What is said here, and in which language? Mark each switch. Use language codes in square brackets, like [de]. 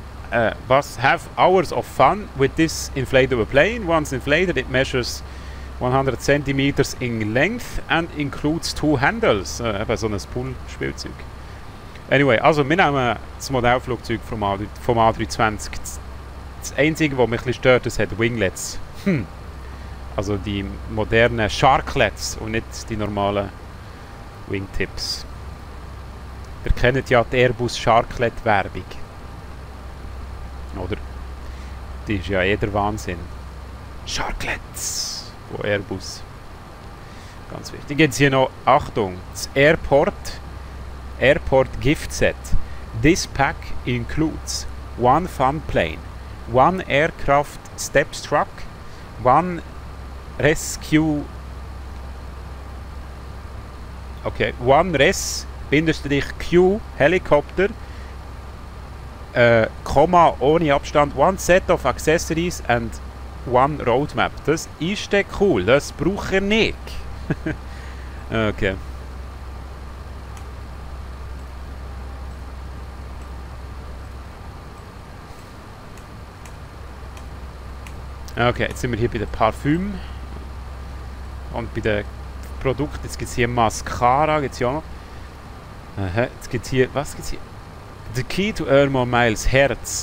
[en] Have hours of fun with this inflatable plane. Once inflated, it measures 100 cm in length and includes two handles. [de] Eben so ein Pool-Spielzeug. Anyway, also wir nehmen das Modellflugzeug vom A320. Das Einzige, was mich ein bisschen stört, das hat Winglets. Also die modernen Sharklets und nicht die normalen Wingtips. Ihr kennt ja die Airbus Sharklet-Werbung. Oder? Die ist ja eh der Wahnsinn. Sharklets von Airbus. Ganz wichtig. Jetzt hier noch, Achtung, das Airport, Airport Gift Set. [en] This pack includes one fun plane, one aircraft steps truck, one rescue. Okay, one res, [de] bindestrich Q, Helikopter, Komma ohne Abstand, [en] one set of accessories and one roadmap. [de] Das ist der cool, das braucht er nicht. Okay. Okay, jetzt sind wir hier bei den Parfüm und bei den Produkten. Jetzt gibt es hier Mascara, gibt es hier auch noch. Aha, jetzt gibt es hier, was gibt es hier? [en] The key to earn more miles, Herz.